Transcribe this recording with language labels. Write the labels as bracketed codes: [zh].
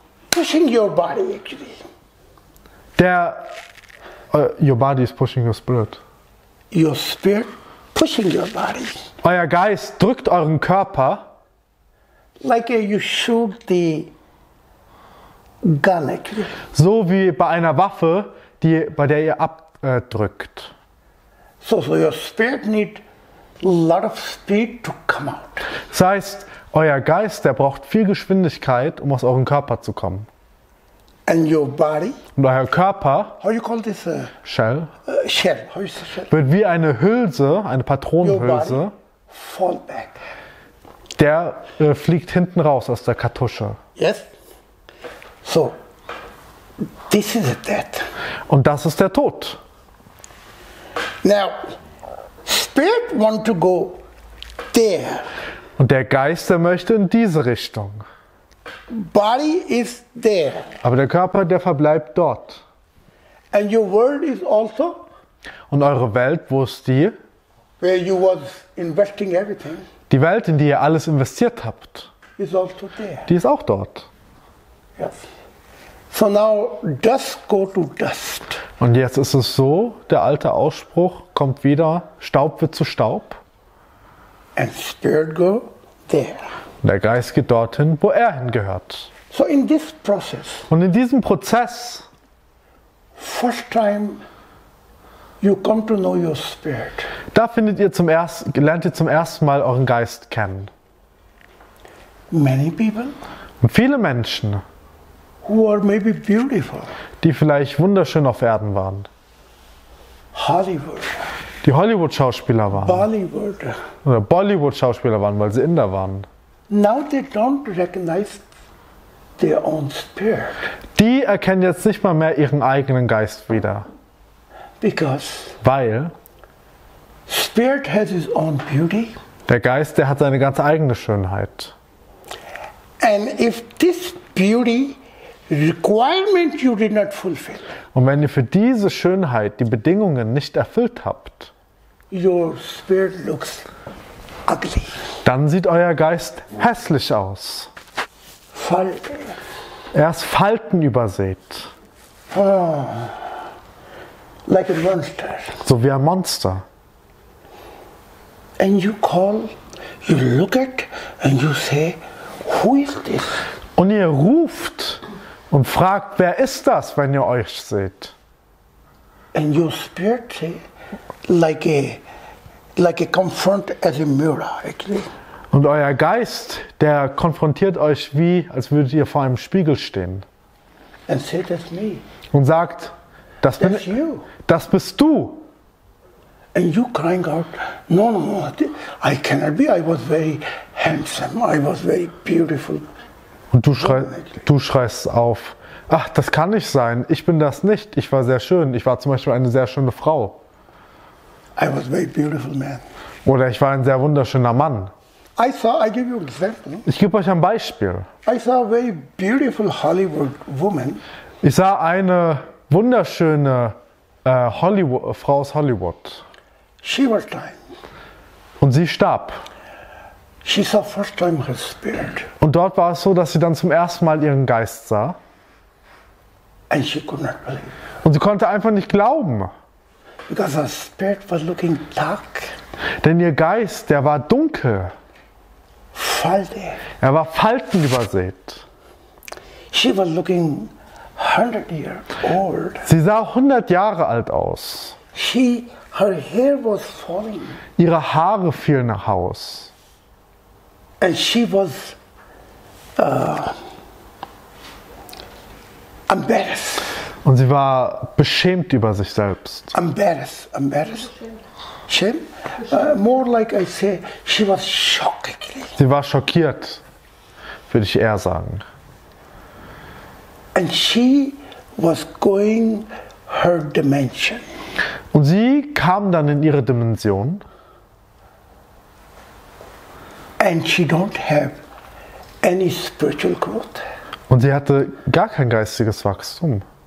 [en] Pushing your body actually. [de] Der. [en] Your body is pushing your spirit. Your spirit pushing your body. [de] Euer Geist drückt euren Körper. [en] Like you shoot the gun actually. [de] So wie bei einer Waffe. Die, bei der ihr abdrückt. [en] So your spirit need lot of speed to come out. [de] Das heißt, euer Geist, der braucht viel Geschwindigkeit, um aus eurem Körper zu kommen. [en] And your body? [de] Und euer Körper, [en] how you call this, shell, shell. How you say shell, [de] wird wie eine Hülse, eine Patronenhülse, [en] fall back. [de] Der fliegt hinten raus aus der Kartusche. [en] Yes? So, this is dead. [de] Und das ist der Tod. [en] Now, spirit want to go there. [de] Und der Geist, der möchte in diese Richtung. [en] Body is there. [de] Aber der Körper, der verbleibt dort. [en] And your world is also. [de] Und eure Welt, wo ist die? [en] Where you was investing everything. [de] Die Welt, in die ihr alles investiert habt. [en] Is also there. [de] Die ist auch dort. [en] Yes. So now dust go to dust. [de] Und jetzt ist es so, der alte Ausspruch kommt wieder: Staub wird zu Staub. [en] And spirit go there. [de] Der Geist geht dorthin, wo er hingehört. [en] So in this process, [de] und in diesem Prozess, [en] first time you come to know your spirit. [de] Da findet ihr zum ersten, lernt ihr zum ersten Mal euren Geist kennen. [en] Many people, [de] und viele Menschen, [en] who are maybe beautiful, [de] die vielleicht wunderschön auf Erden waren. [en] Hollywood. [de] Die Hollywood-Schauspieler waren. [en] Bollywood. [de] Oder Bollywood-Schauspieler waren, weil sie Inder waren. [en] Now they don't recognize their own spirit. [de] Die erkennen jetzt nicht mal mehr ihren eigenen Geist wieder. [en] Because [de] weil [en] spirit has his own beauty. [de] Der Geist, der hat seine ganz eigene Schönheit. [en] And if this beauty requirement you did not fulfill. [de] Und wenn ihr für diese Schönheit die Bedingungen nicht erfüllt habt, [en] your spirit looks ugly. [de] Dann sieht euer Geist hässlich aus. Falten. Er ist Falten übersät. [en] Oh, like a monster. [de] So wie ein Monster. [en] And you call, you look at and you say, who is this? [de] Und ihr ruft und fragt, wer ist das, wenn ihr euch seht? [en] And your spirit say, like a confront as a mirror, actually. [de] Und euer Geist, der konfrontiert euch wie, als würdet ihr vor einem Spiegel stehen. [en] And say, that's me. [de] Und sagt, das, [en] that's [de] bin, [en] you. [de] Das bist du. [en] And you crying out, no, no, no, I cannot be, I was very handsome, I was very beautiful. [de] Und du schreist auf, ach, das kann nicht sein, ich bin das nicht, ich war sehr schön, ich war zum Beispiel eine sehr schöne Frau. [en] I was a very beautiful man. [de] Oder ich war ein sehr wunderschöner Mann. [en] I saw, I give you an example. [de] Ich gebe euch ein Beispiel. [en] I saw a very beautiful Hollywood woman. [de] Ich sah eine wunderschöne Frau aus Hollywood. [en] She was dying. [de] Und sie starb. [en] She saw first time her spirit. [de] Und dort war es so, dass sie dann zum ersten Mal ihren Geist sah. [en] And she could not believe. [de] Und sie konnte einfach nicht glauben. [en] Because her spirit was looking dark. [de] Denn ihr Geist, der war dunkel. Falte. Er war Falten übersät. [en] She was looking 100 years old. [de] Sie sah 100 Jahre alt aus. [en] She, her hair was falling. [de] Ihre Haare fielen nach Haus. [en] And she was embarrassed. [de] Und sie war beschämt über sich selbst. [en] Embarrassed, embarrassed. Shame? More like I say, she was shocked. [de] Sie war schockiert, würde ich eher sagen. [en] And she was going her dimension. [de] Und sie kam dann in ihre Dimension. [en] And she don't have any spiritual growth. [de] Und sie hatte gar kein geistiges Wachstum.